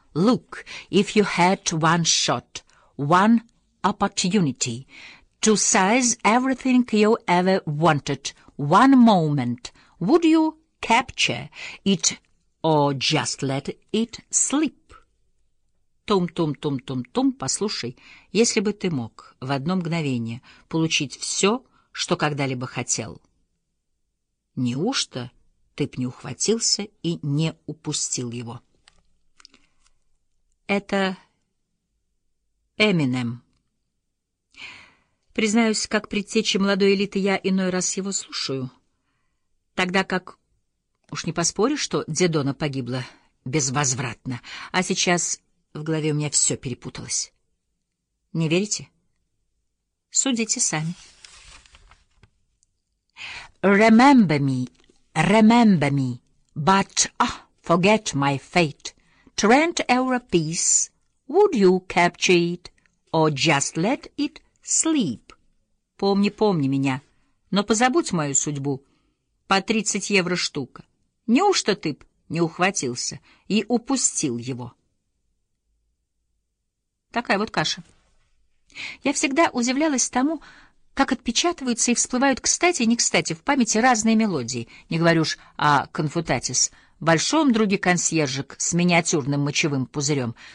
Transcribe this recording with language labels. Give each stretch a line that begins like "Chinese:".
English: Look, if you had one shot, one opportunity to seize everything you ever wanted, one moment, would you capture it or just let it slip?
Russian: Тум-тум-тум-тум-тум, послушай, если бы ты мог в одно мгновение получить все, что когда-либо хотел, неужто ты б не ухватился и не упустил его? Это Эминем. Признаюсь, как предтеча молодой элиты, я иной раз его слушаю, тогда как, уж не поспоришь, что Дедона погибла безвозвратно, а сейчас... В голове у меня все перепуталось. Не верите? Судите сами.
English: Remember me, but ah, forget my fate. Trent era peace, would you capture it, or just let it sleep?
Russian: Помни, помни меня, но позабудь мою судьбу. По 30 евро штука. Неужто ты б не ухватился и упустил его? Такая вот каша. Я всегда удивлялась тому, как отпечатываются и всплывают кстати и не кстати в памяти разные мелодии, не говорю уж о «Конфутатис», большом друге консьержек с миниатюрным мочевым пузырем.